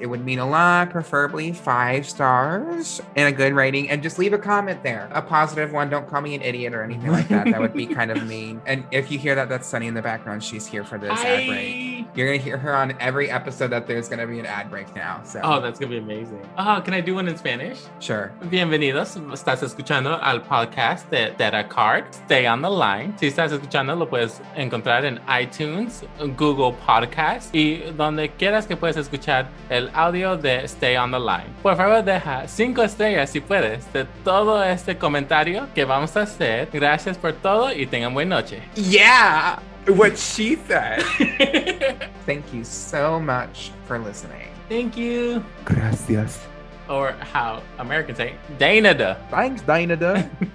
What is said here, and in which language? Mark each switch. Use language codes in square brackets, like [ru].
[en] It would mean a lot, preferably 5 stars and a good rating. And just leave a comment there, a positive one. Don't call me an idiot or anything like that. That would be kind of mean. And if you hear that, that's Sunny in the background. She's here for this ad break. You're going to hear her on every episode that there's going to be an ad break now. So. Oh, that's going to be amazing. Oh, can I do one in Spanish? Sure. [es] Bienvenido. Estás escuchando al podcast de Data Card. Stay on the line. Si estás escuchando, lo puedes encontrar en iTunes, Google Podcasts y donde quieras que puedas escuchar el audio de Stay on the Line. Por favor, deja 5 estrellas si puedes de todo este comentario que vamos a hacer. Gracias por todo y tengan buena noche. [en] Yeah, what she said. Thank you so much for listening. Thank you. [es] Gracias. [en] Or how Americans say, Danada. Thanks, Danada.